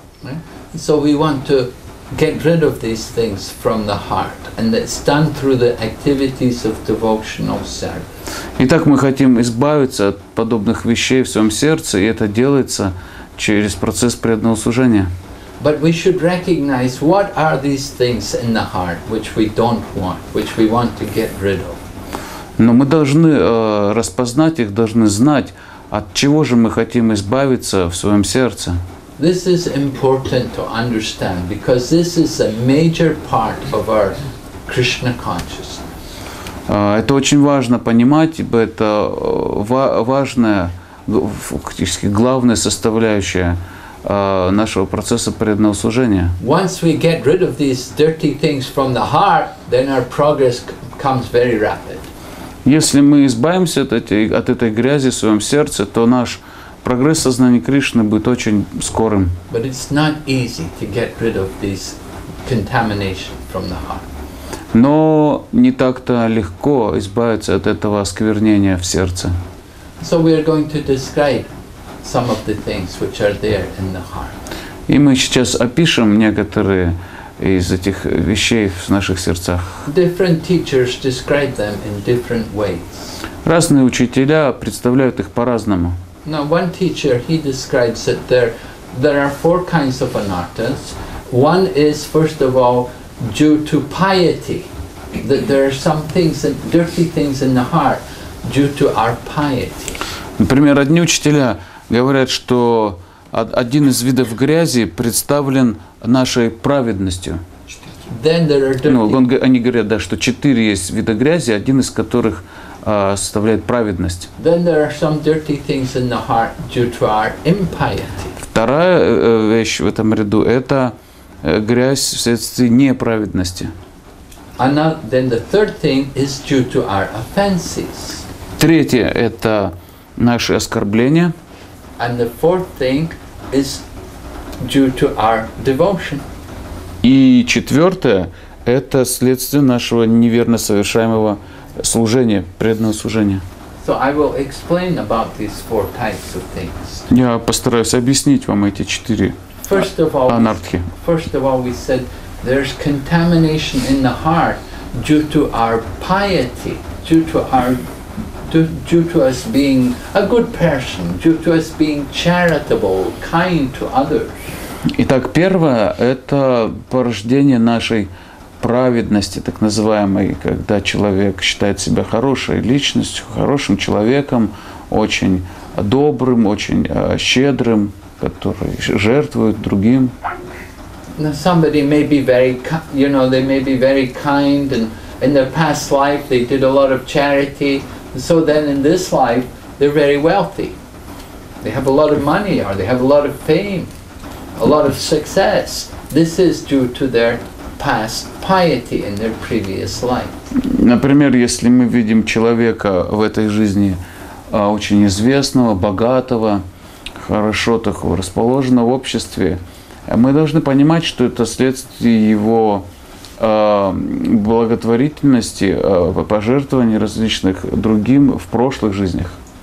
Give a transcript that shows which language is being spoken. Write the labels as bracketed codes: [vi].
[en] Right? So we want to get rid of these things from the heart, and it's done through the activities of devotional service. [ru] Итак, мы хотим избавиться от подобных вещей в своем сердце, и это делается через процесс преданного служения. [en] But we should recognize what are these things in the heart which we don't want, which we want to get rid of. [ru] Но мы должны распознать их, должны знать, от чего же мы хотим избавиться в своем сердце. This is important to understand, because this is a major part of our Krishna consciousness. Это очень важно понимать, ибо это важная, фактически главная составляющая нашего процесса преданного служения. [en] Once we get rid of these dirty things from the heart, then our progress comes very rapid. [ru] Если мы избавимся от этой грязи в своем сердце, то наш прогресс сознания Кришны будет очень скорым. [en] But it's not easy to get rid of this contamination from the heart. [ru] Но не так-то легко избавиться от этого осквернения в сердце. [en] So we are going to describe some of the things which are there in the heart. [ru] И мы сейчас опишем некоторые из этих вещей в наших сердцах. [en] Different teachers describe them in different ways. [ru] Разные учителя представляют их по-разному. [en] Now one teacher, he describes that there are four kinds of anarthas. One is, first of all, due to piety, that there are some things, that dirty things in the heart, due to our piety. [ru] Например, одни учителя говорят, что один из видов грязи представлен нашей праведностью. [en] Then there are dirty. [ru] Они говорят, да, что четыре есть вида грязи, один из которых составляет праведность. [en] Then there are some dirty things in the heart due to our impiety. [ru] Вторая вещь в этом ряду – это грязь вследствие неправедности. [en] Then the third thing is due to our offenses. [ru] Третье – это наши оскорбления. [en] And the fourth thing is due to our devotion. [ru] И четвертое – это следствие нашего неверно совершаемого служения, преданного служения. [en] So I will explain about these four types of things. [ru] Я постараюсь объяснить вам эти четыре анартхи. [en] First of all, we said there's contamination in the heart due to our piety, due to us being a good person, due to us being charitable, kind to others. [ru] Итак, первое – это порождение нашей праведности, так называемой, когда человек считает себя хорошей личностью, хорошим человеком, очень добрым, очень щедрым, который жертвует другим. [en] Now somebody may be very, you know, they may be very kind, and in their past life they did a lot of charity. So then in this life they're very wealthy. They have a lot of money, or they have a lot of fame, a lot of success. This is due to their past piety in their previous life. [ru] Например, если мы видим человека в этой жизни очень известного, богатого, хорошо такого расположенного в обществе, мы должны понимать, что это следствие его благотворительности, пожертвований различных другим в прошлых жизнях.